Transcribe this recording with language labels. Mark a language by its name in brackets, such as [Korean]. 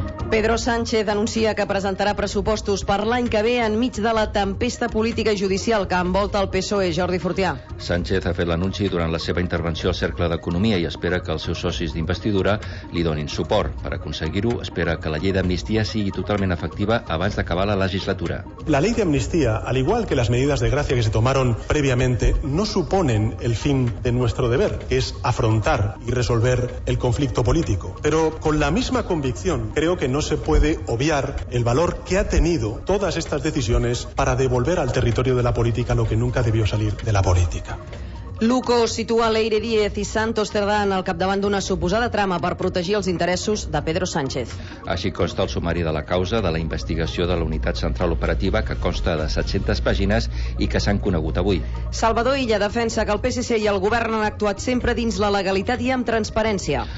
[Catalan] Pedro Sánchez anuncia que presentarà pressupostos per l'any que ve enmig de la tempesta política i judicial que envolta el PSOE. Jordi Fortià. Sánchez ha fet l'anunci durant la seva intervenció al Cercle d'Economia i espera que els seus socis d'investidura li donin suport. Per aconseguir-ho, espera que la llei d'amnistia sigui totalment efectiva abans d'acabar la legislatura. La llei d'amnistia, [Spanish] al igual que las medidas de gracia que se tomaron previamente, no suponen el fin de nuestro deber, que es afrontar y resolver el conflicto político. Pero con la misma convicción, creo que no se puede obviar el valor que ha tenido todas estas decisiones para devolver al territorio de la política lo que nunca debió salir de la política. [Catalan] Luco situa Leire Díez i Santos Cerdán al capdavant d'una suposada trama per protegir els interessos de Pedro Sánchez. Així consta el sumari de la causa de la investigació de la Unitat Central Operativa, que consta de 700 pàgines i que s'han conegut avui. Salvador Illa defensa que el PSC i el govern han actuat sempre dins la legalitat i amb transparència.